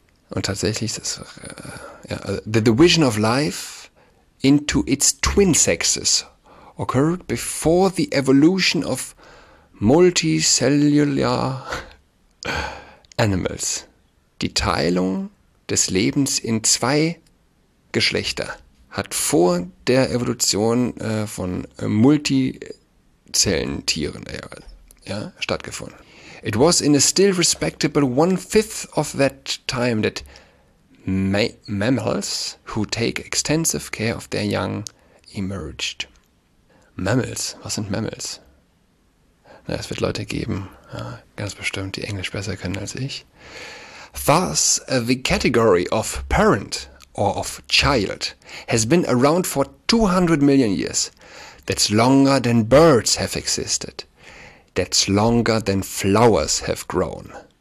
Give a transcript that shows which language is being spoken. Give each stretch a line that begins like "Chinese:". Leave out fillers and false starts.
German: Und tatsächlich,
English: the division of life into its twin sexes occurred before the evolution of multicellular animals.
German: Die Teilung des Lebens in zwei Geschlechter hat vor der Evolution von Multizellentieren stattgefunden.
English: It was in a still respectable one-fifth of that time that mammals who take extensive care of their young emerged.
German: Mammals? Was sind Mammals? Na, es wird Leute geben, ja, ganz bestimmt, die Englisch besser können als ich.
English: Thus, the category of parent or of child has been around for 200 million years. That's longer than birds have existed. That's longer than flowers have grown.